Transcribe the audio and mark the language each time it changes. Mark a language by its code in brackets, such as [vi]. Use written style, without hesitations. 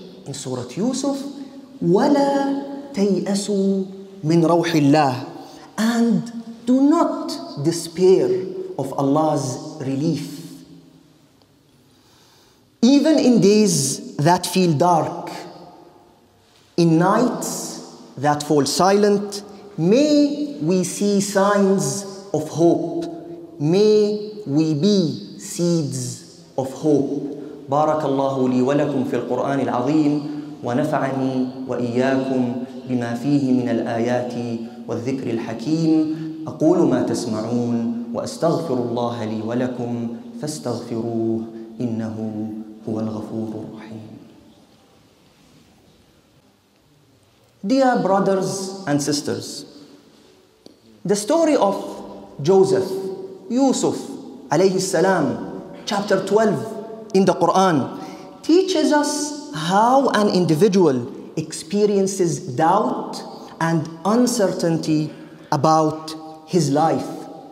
[en] In Surah Yusuf, [ar] وَلَا تَيْأَسُوا مِنْ رَوْحِ اللَّهِ, [en] and do not despair of Allah's relief. Even in days that feel dark, in nights that fall silent, may we see signs of hope. May we be seeds of hope. [ar] بارك الله لي ولكم في القرآن العظيم ونفعني وإياكم بما فيه من الآيات والذكر الحكيم. أقول ما تسمعون وأستغفر الله لي ولكم فاستغفروه إنه هو الغفور الرحيم. [en] Dear brothers and sisters, the story of Joseph, Yusuf عليه السلام, chapter 12 in the Quran, teaches us how an individual experiences doubt and uncertainty about his life.